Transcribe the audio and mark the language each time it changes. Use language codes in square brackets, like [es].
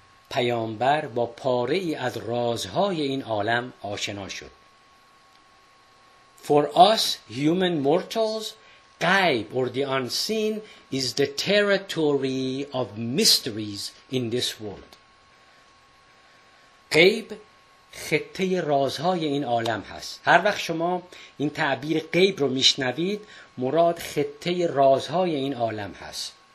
[fa] پیامبر با پاره ای از رازهای این عالم آشنا شد. [en] For us human mortals, غیب or the unseen is the territory of mysteries in this world. [fa] غیب خطه رازهای این عالم هست. هر وقت شما این تعبیر غیب رو میشنوید، مراد خطه رازهای این عالم هست.